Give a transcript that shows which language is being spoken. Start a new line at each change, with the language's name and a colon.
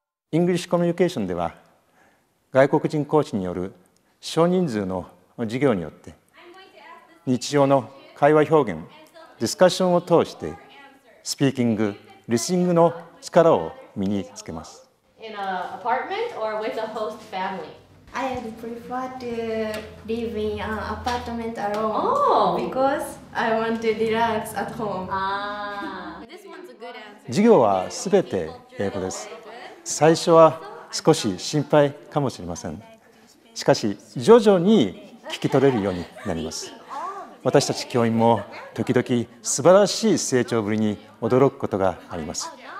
Japanese: イングリッシュコミュニケーションでは、外国人講師による少人数の授業によって、日常の会話表現、ディスカッションを通して、スピーキング、リスニングの力を身につけます。
English: In an apartment or with a host family? I prefer to live in an apartment alone. Oh! Because I want to relax at home. This one's a good answer.
Japanese: 授業はすべて英語です。最初は少し心配かもしれません。しかし、徐々に聞き取れるようになります。私たち教員も時々素晴らしい成長ぶりに驚くことがあります。